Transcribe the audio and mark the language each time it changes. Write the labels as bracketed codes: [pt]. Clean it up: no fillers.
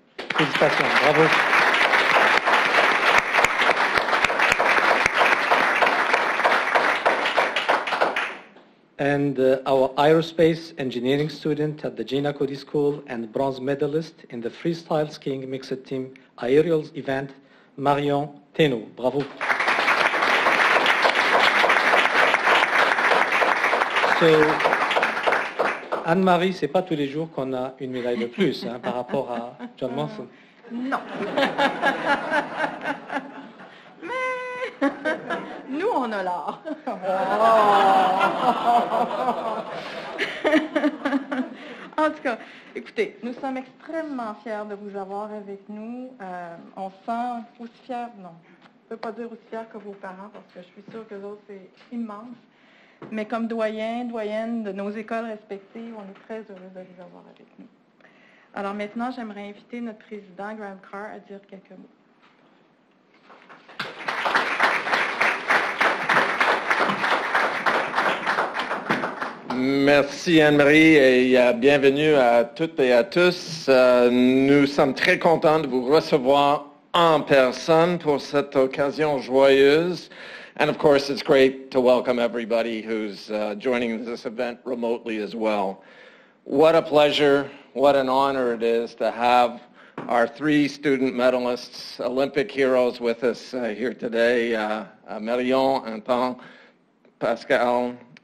[en] Please pass on, Robert. And our aerospace engineering student at the Gina Cody School and bronze medalist in the freestyle skiing mixed team aerials event, Marion Thénault. [fr] Bravo. So, Anne-Marie, c'est pas tous les jours qu'on a une médaille de plus hein, par rapport à John Molson. Non. Mais nous, on a l'art. Oh. En tout cas, écoutez, nous sommes extrêmement fiers de vous avoir avec nous. On sent aussi fiers, non, je ne peux pas dire aussi fiers que vos parents parce que je suis sûre que l'autre, c'est immense. Mais comme doyen, doyenne de nos écoles respectives, on est très heureux de vous avoir avec nous. Alors maintenant, j'aimerais inviter notre président, Graham Carr, à dire quelques mots. Merci Anne-Marie et bienvenue à toutes et à tous. Nous sommes très contents de vous recevoir en personne pour cette occasion joyeuse. [en] And of course, it's great to welcome everybody who's joining this event remotely as well. What a pleasure, what an honor it is to have our three student medalists, Olympic heroes with us here today, Marion, Anton, Pascal.